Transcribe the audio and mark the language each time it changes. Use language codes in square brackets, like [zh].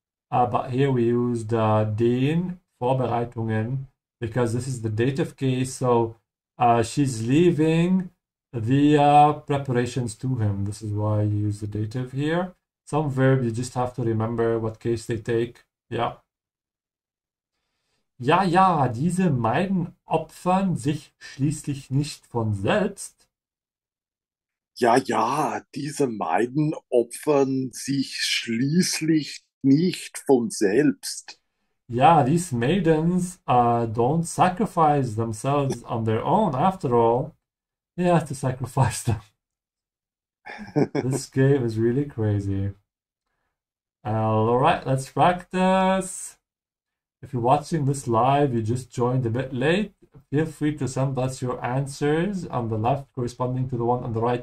[en] But here we use the den Vorbereitungen, because this is the dative case, so she's leaving the preparations to him. This is why you use the dative here. Some verb, you just have to remember what case they take. Yeah. [de] Ja, diese Meiden opfern sich schließlich nicht von selbst. Ja, diese Meiden opfern sich schließlich nicht von selbst. [en] Ja, these maidens don't sacrifice themselves on their own after all. They have to sacrifice them. This game is really crazy. All right, let's practice. If you're watching this live, you just joined a bit late, feel free to send us your answers on the left corresponding to the one on the right.